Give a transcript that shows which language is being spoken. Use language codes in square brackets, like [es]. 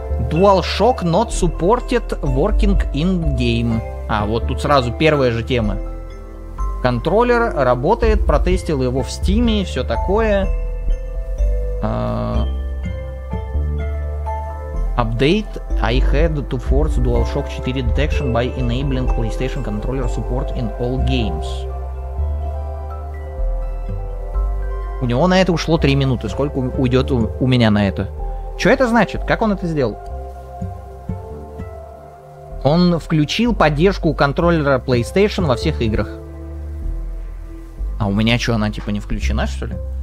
[en] DualShock not supported working in-game. [ru] А, вот тут сразу первая же тема. Контроллер работает, протестил его в Стиме, все такое. [en] Update. I had to force DualShock 4 detection by enabling PlayStation controller support in all games. [ru] У него на это ушло 3 минуты. Сколько уйдет у меня на это? Что это значит? Как он это сделал? Он включил поддержку контроллера PlayStation во всех играх. А у меня что, она типа не включена, что ли?